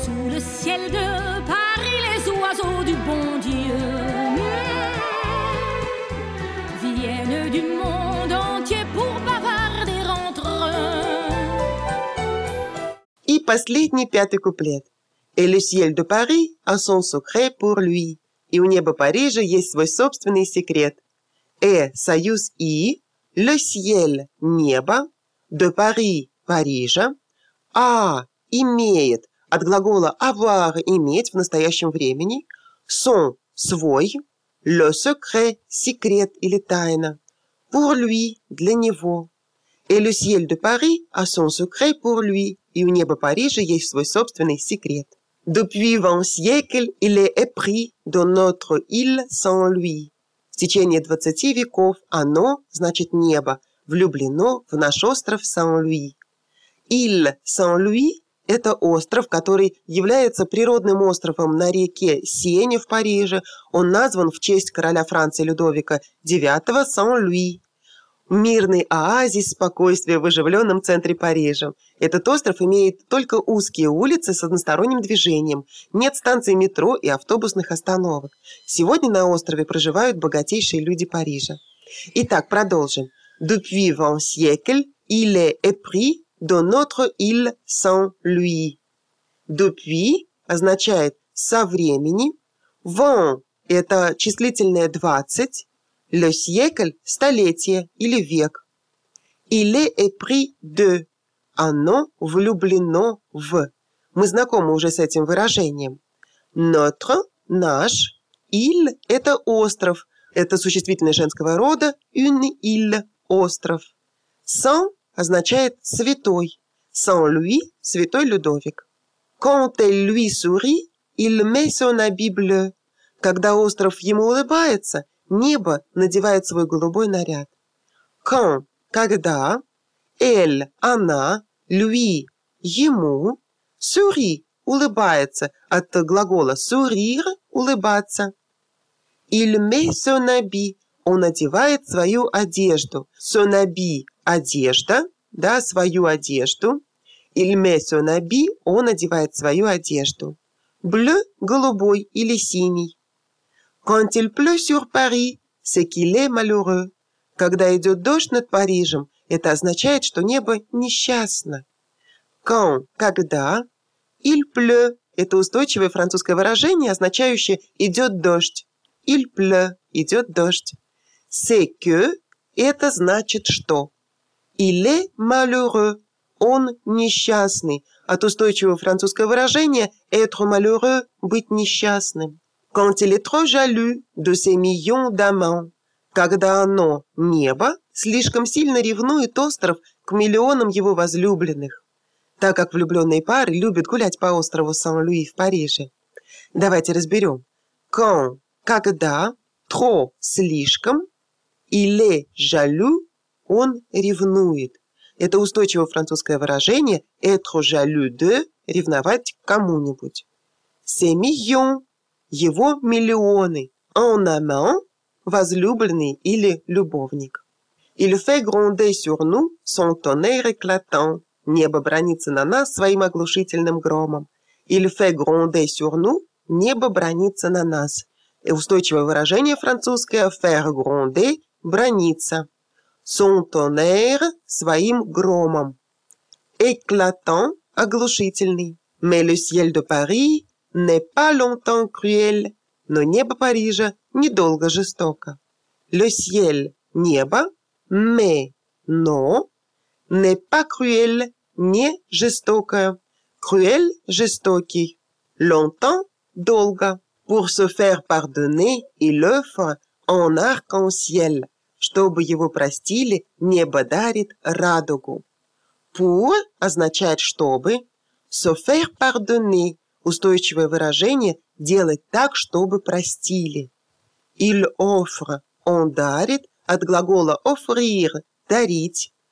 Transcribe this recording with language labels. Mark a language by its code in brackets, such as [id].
[fr] Le ciel de Paris, les oiseaux du bon Dieu viennent du monde entier pour bavarder entre eux. [ru] И последний, пятый куплет. [fr] Et le ciel de Paris a son secret pour lui. [ru] И у неба Парижа есть свой собственный секрет. [fr] Et [ru] союз и, [fr] le ciel [ru] – небо, [fr] de Paris [ru] – Парижа, [fr] a [ru] – имеет, от глагола [fr] avoir [ru] – иметь в настоящем времени, [fr] son [ru] – свой, [fr] le secret [ru] – секрет или тайна, [fr] pour lui [ru] – для него. [fr] Et le ciel de Paris a son secret pour lui, [ru] и у неба Парижа есть свой собственный секрет. [fr] Depuis 20 siècles, il est épris de notre île sans lui. [ru] В течение 20 веков оно, значит небо, влюблено в наш остров Сан-Луи. [fr] Île [ru] Сан-Луи – это остров, который является природным островом на реке Сене в Париже. Он назван в честь короля Франции Людовика IX Сан-Луи. Мирный оазис спокойствия в оживленном центре Парижа. Этот остров имеет только узкие улицы с односторонним движением. Нет станций метро и автобусных остановок. Сегодня на острове проживают богатейшие люди Парижа. Итак, продолжим. [fr] Depuis 20 siècles, il est épris de notre île Saint-Louis. Depuis [ru] означает «со времени». [fr] Vingt [ru] – это числительное 20. [fr] Le siècle [ru] – столетие или век. [fr] Il est épris de – [ru] оно влюблено в. Мы знакомы уже с этим выражением. [fr] Notre [ru] – наш. [fr] Il [ru] – это остров. Это существительное женского рода [fr] «une île» [ru] – остров. [fr] Saint [ru] означает «святой». Saint-Louis – святой Людовик. [fr] Quand elle lui sourit, il met son habit bleu. [ru] Когда остров ему улыбается – небо надевает свой голубой наряд. [fr] Quand [ru] – когда, [fr] elle [ru] – она, [fr] lui [ru] – ему, [fr] sourit [ru] – улыбается, от глагола [fr] sourire [ru] – улыбаться. [fr] Il met son habit [ru] – он надевает свою одежду. [fr] Son habit [ru] – одежда, да, свою одежду. [fr] Il met son habit [ru] – он надевает свою одежду. [fr] Bleu [ru] – голубой или синий. [fr] Quand il pleut sur Paris, c'est qu'il est malheureux. [ru] Когда идет дождь над Парижем, это означает, что небо несчастно. [fr] Quand, [ru] когда, [fr] il pleut, [ru] это устойчивое французское выражение, означающее идет дождь. [fr] Il pleut, [ru] идет дождь. [fr] C'est que, [ru] это значит что. [fr] Il est malheureux, [ru] он несчастный. От устойчивого французского выражения [fr] être malheureux, [ru] быть несчастным. [fr] Quand il est trop jaloux de ses millions d'amants, [ru] когда оно, небо, слишком сильно ревнует остров к миллионам его возлюбленных, так как влюбленные пары любят гулять по острову Сан-Луи в Париже. Давайте разберем. [fr] Quand, [ru] когда, [fr] trop, [ru] слишком, [fr] il est jaloux, [ru] он ревнует. Это устойчивое французское выражение [fr] être jaloux de, [ru] ревновать к кому-нибудь. [fr] Ses millions. [ru] Его миллионы. [fr] En amant [ru] – возлюбленный или любовник. [fr] Il fait gronder sur nous son tonnerre éclatant. [ru] Небо бронится на нас своим оглушительным громом. [fr] Il fait gronder sur nous [ru] – небо бронится на нас. И устойчивое выражение французское – [fr] faire gronder [ru] – бронится. [fr] Son tonnerre [ru] – своим громом. [fr] Éclatant [ru] – оглушительный. [fr] Mais le ciel de Paris – n'est pas longtemps cruel, [ru] но небо Парижа недолго жестоко. [fr] Le ciel [ru] – небо, [fr] mais [ru] – но, [fr] n'est pas cruel [ru] – не жестокое. [fr] Cruel [ru] – жестокий. [fr] Longtemps [ru] – долго. [fr] Pour se faire pardonner, il offre un arc-en-ciel. [ru] Чтобы его простили, небо дарит радугу. [fr] Pour [ru] – означает «чтобы». [fr] Se faire pardonner [ru] – устойчивое выражение «делать так, чтобы простили». [fr] «Il offre» [ru] – «он дарит» от глагола [fr] «offrir» [ru] – «дарить».